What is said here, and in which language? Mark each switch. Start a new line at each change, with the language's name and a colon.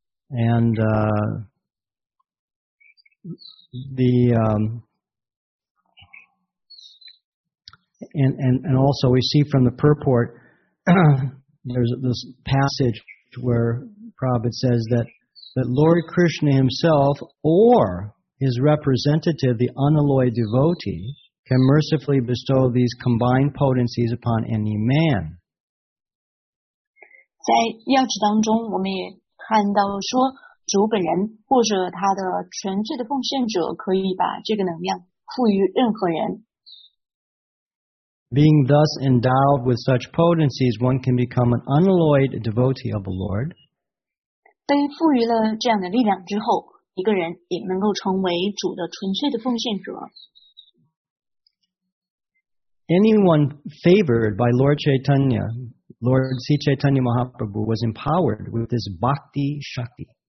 English: And and also we see from the purport there's this passage where Prabhupada says that Lord Krishna himself or his representative, the unalloyed devotee, can mercifully bestow these combined potencies upon any man.
Chinese: 在要旨当中我们也看到说主本人或者他的全智的奉献者可以把这个能量赋予任何人。
English: Being thus endowed with such potencies, one can become an unalloyed devotee of the Lord.
Chinese: 被赋予了这样的力量之后，一个人也能够成为主的纯粹的奉献者。
English: Anyone favored by Lord Chaitanya, Lord Sri Chaitanya Mahaprabhu was empowered with this bhakti shakti.